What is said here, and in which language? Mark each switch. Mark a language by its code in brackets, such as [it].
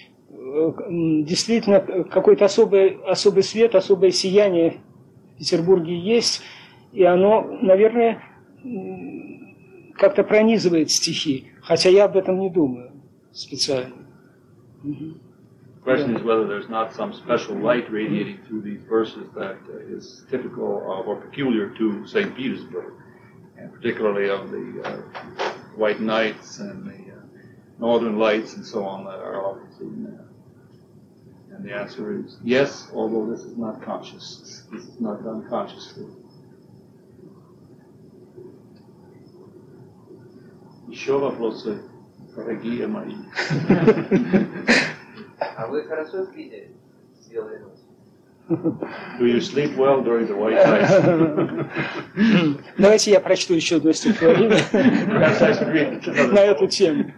[ru] Действительно, какой-то особый свет, особое сияние в Петербурге есть. И оно, наверное, как-то пронизывает стихи. Хотя я об этом не думаю специально. [en] The question is whether there's not some special light radiating through these verses that is typical of or peculiar to St. Petersburg, and particularly of the white nights and the northern lights and so on that are often seen there. And the answer is yes, although this is not conscious. This is not done consciously. [ru] Еще вопросы, дорогие мои. А вы хорошо спите с белой ночью? [en] Do you sleep well during the white night? [ru] Давайте я прочту еще одно стихотворение на эту тему.